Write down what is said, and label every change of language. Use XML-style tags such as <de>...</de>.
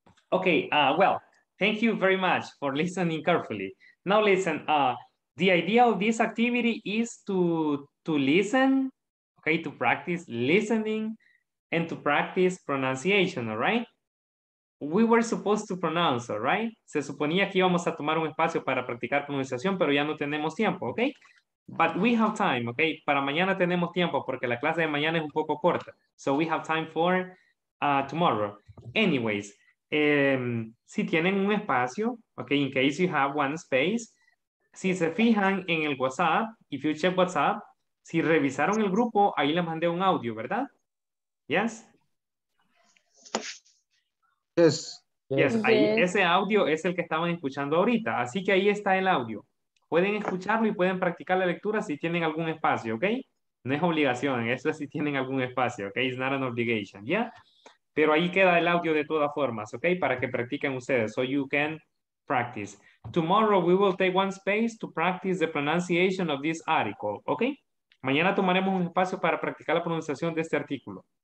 <en>Okay, well, thank you very much for listening carefully. Now listen, the idea of this activity is to listen, okay, to practice listening and to practice pronunciation, all right? We were supposed to pronounce, all right?</en> <es>Se suponía que íbamos a tomar un espacio para practicar pronunciación, pero ya no tenemos tiempo, okay?</es> <en>But we have time, okay?</en> <es>Para mañana tenemos tiempo porque la clase de mañana es un poco corta.</es> <en>So we have time for tomorrow. Anyways,</en> <es>si tienen un espacio, okay,</es> <en>in case you have one space,</en> <es>si se fijan en el WhatsApp,</es> <en>if you check WhatsApp,</en> <es>si revisaron el grupo, ahí les mandé un audio, ¿verdad? Yes?</es> <en>Yes.</en> <es>Yes, ahí, ese audio es el que estaban escuchando ahorita, así que ahí está el audio. Pueden escucharlo y pueden practicar la lectura si tienen algún espacio, okay? No es obligación, eso es si tienen algún espacio, okay?</es> <en>It's not an obligation, yeah?</en> <es>Pero ahí queda el audio de todas formas, okay? Para que practiquen ustedes,</es> <en>so you can practice. Tomorrow we will take one space to practice the pronunciation of this article, okay?</en> <es>Mañana tomaremos un espacio para practicar la pronunciación de este artículo.</es>